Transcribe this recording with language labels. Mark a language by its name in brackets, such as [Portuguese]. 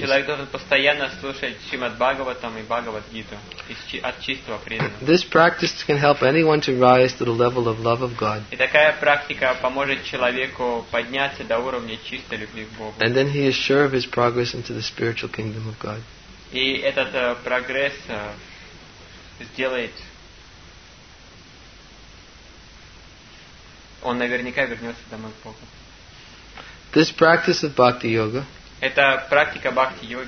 [Russian] И человек должен постоянно слушать Шримад Бхагаватам и Бхагавад Гиту от чистого преданного. [English] This practice can help anyone to rise to the level of love of God. [Russian] И такая практика поможет человеку подняться до уровня чистой любви к Богу. [English] And then he is sure of his progress into the spiritual kingdom of God. [Russian] И этот прогресс сделает, он наверняка вернется домой к Богу. [English] This practice of Bhakti Yoga. [Russian] Это практика Бхакти Йоги.